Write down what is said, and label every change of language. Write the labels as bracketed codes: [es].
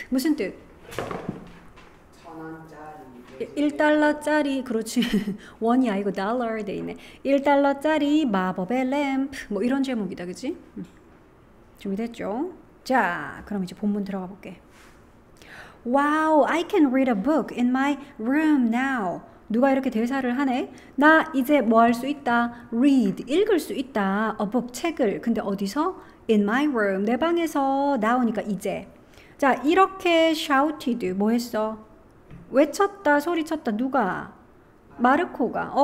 [ko] 무슨 뜻? 1달러짜리, 그렇지. 원이 아니고 달러 돼 있네. 1달러짜리 마법의 램프. 뭐 이런 제목이다, 그치? 준비됐죠? 자, 그럼 이제 본문 들어가 볼게. [en] Wow, I can read a book in my room now. [ko] 누가 이렇게 대사를 하네? 나 이제 뭐 할 수 있다? Read, 읽을 수 있다. [en] A book, [ko] 책을. 근데 어디서? [en] In my room, [ko] 내 방에서 나오니까 이제. 자, 이렇게 shouted, 뭐 했어? 외쳤다, 소리쳤다. 누가? 마르코가.